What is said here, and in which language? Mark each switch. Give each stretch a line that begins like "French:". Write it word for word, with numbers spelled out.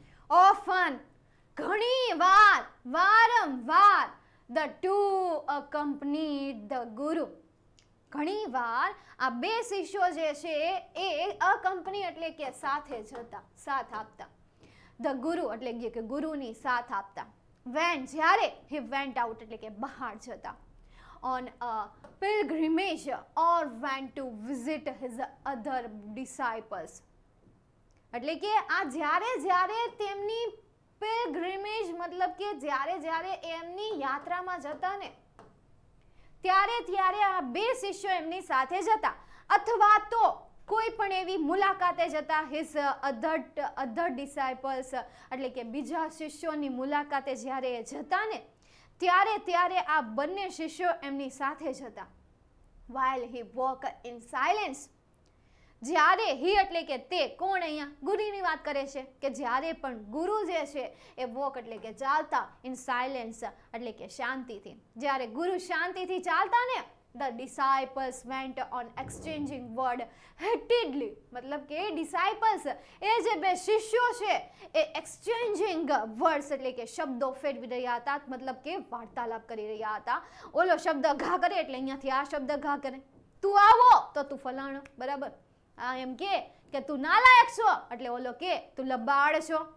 English: often
Gujarati: ઘણીવાર, વારંવાર,
English: The two accompany the guru.
Gujarati: ઘણીવાર આ બે શિષ્યો જે છે એ અકમ્પની એટલે કે સાથે જતા, સાથ આપતા.
English: the guru
Gujarati: એટલે કે ગુરુની સાથ આપતા. વેન જ્યારે,
English: he went out
Gujarati: એટલે કે બહાર જતા.
English: On a pilgrimage or went to visit his other disciples.
Gujarati: એટલે કે આ જ્યારે જ્યારે તેમની pilgrimage મતલબ કે જ્યારે જ્યારે એમની યાત્રામાં જતા ને ત્યારે ત્યારે આ બે શિષ્યો એમની સાથે જતા, અથવા તો કોઈ પણ એવી મુલાકાતે જતા.
English: his other other disciples
Gujarati: એટલે કે બીજા શિષ્યોની મુલાકાતે જ્યારે જતા ને ત્યારે ત્યારે આ બંને શિષ્યો એમની સાથે જ હતા.
English: while he walk in silence,
Gujarati: જ્યારે he એટલે કે તે, કોણ અહીંયા ગુરુની વાત કરે છે, કે જ્યારે પણ ગુરુ જે છે એ walk એટલે કે ચાલતા,
English: in silence
Gujarati: એટલે કે શાંતિથી. જ્યારે ગુરુ શાંતિથી ચાલતા ને,
English: the disciples went on exchanging word heatedly.
Gujarati: મતલબ કે disciples એ જે બે શિષ્યો છે એ
English: exchanging words
Gujarati: એટલે કે શબ્દો ફેરવી રહ્યા હતા, મતલબ કે વાર્તાલાપ કરી રહ્યા હતા. ઓલો શબ્દ ઘા કરે એટલે અહીંયાથી આ શબ્દ ઘા કરે, તું આવો તો તું ફલાણો, બરાબર. આ એમ કે કે તું નાલાયક છો એટલે ઓલો કે તું લબાડ છો.